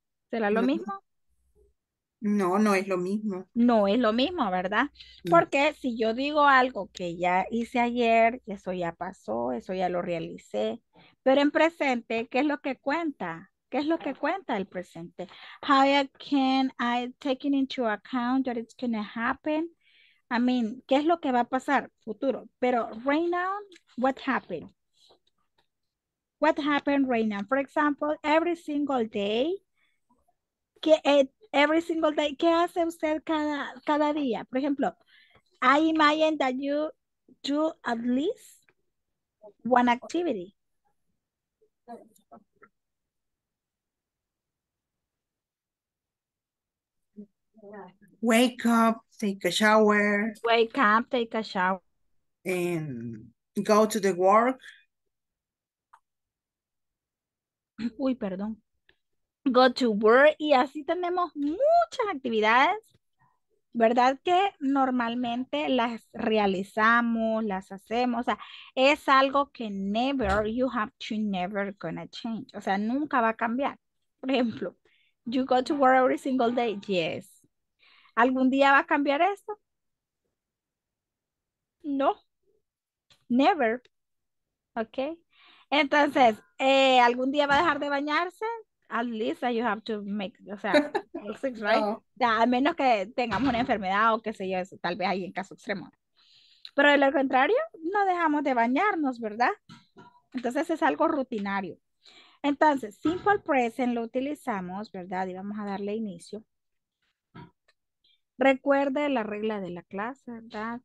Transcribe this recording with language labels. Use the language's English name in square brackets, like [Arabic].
[Spanish] ¿Será lo No, mismo? no es lo mismo. No es lo mismo, ¿verdad? No. Porque si yo digo algo que ya hice ayer, eso ya pasó, eso ya lo realicé. Pero en presente, ¿qué es lo que cuenta? ¿Qué es lo que cuenta el presente? [English] How can I take it into account that it's going to happen? I mean, [Spanish] ¿qué es lo que va a pasar? Futuro. Pero [English] right now, what happened? What happened right now? For example, every single day, every single day, [Spanish] ¿qué hace usted cada día? Por ejemplo, [English] I imagine that you do at least one activity. Wake up, take a shower. Wake up, take a shower. And go to the work. [Spanish] Uy, perdón. [English] Go to work. [Spanish] Y así tenemos muchas actividades, ¿verdad? Que normalmente las realizamos, las hacemos. O sea, es algo que [English] never, you have to never gonna change. [Spanish] O sea, nunca va a cambiar. Por ejemplo, [English] you go to work every single day. [Spanish] Yes. ¿Algún día va a cambiar esto? [English] No. Never. Ok. [Spanish] Entonces, ¿algún día va a dejar de bañarse? [English] At least you have to make, [Spanish] o sea, [English] six, right? No. [Spanish] O sea, a menos que tengamos una enfermedad o qué sé yo, eso, tal vez ahí en caso extremo. Pero de lo contrario, no dejamos de bañarnos, ¿verdad? Entonces es algo rutinario. Entonces, simple present lo utilizamos, ¿verdad? Y vamos a darle inicio. Recuerde la regla de la clase, ¿verdad?